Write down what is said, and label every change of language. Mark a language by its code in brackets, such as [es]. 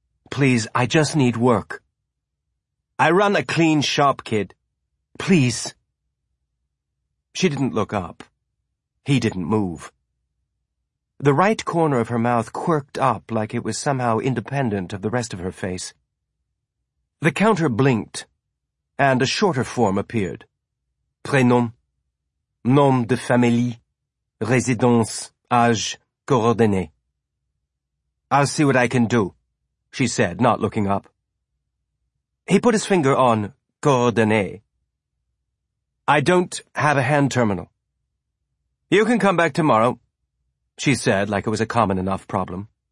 [en] "Please, I just need work. I run a clean shop, kid. Please." She didn't look up. He didn't move. The right corner of her mouth quirked up like it was somehow independent of the rest of her face. The counter blinked, and a shorter form appeared. [fr] Prénom, nom de famille, résidence, âge, coordonnées. [en] "I'll see what I can do," she said, not looking up. He put his finger on coordonnées. "I don't have a hand terminal." "You can come back tomorrow," she said, like it was a common enough problem.